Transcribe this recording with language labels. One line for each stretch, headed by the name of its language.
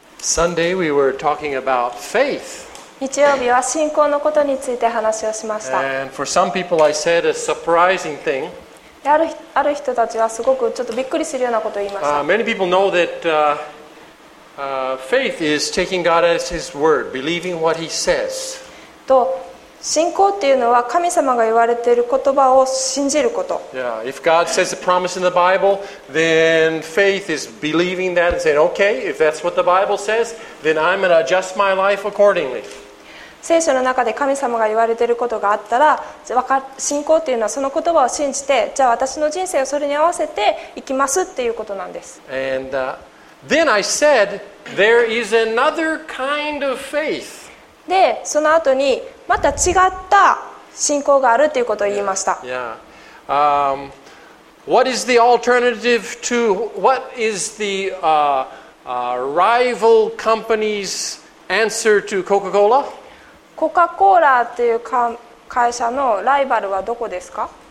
English: Sunday we were talking about faith.
Japanese: 日曜日は信仰のことについて話をしました。
English: And for some people I said a surprising thing.
Japanese: ある人たちはすごくちょっとびっくりするようなことを言いました。
English: Many people know that faith is taking God as His word, believing what He says.
Japanese: と信仰っていうのは神様が言われている言葉を信じること。
English: Yeah, if God says a promise in the Bible, then faith is believing that and saying, okay, if that's what the Bible says, then I'm going to adjust my life accordingly.
Japanese: 聖書の中で神様が言われていることがあったら、信仰っていうのはその言葉を信じて、じゃあ私の人生をそれに合わせていきますっていうことなんです。
English: And then I said, there is another kind of faith.
Japanese: でその後にまた違った信仰があるということを言いました。 yeah. Yeah.
English: What is the alternative to what is the rival company's answer to Coca-Cola?
Japanese: Coca-Cola という会社のライバルはどこですか？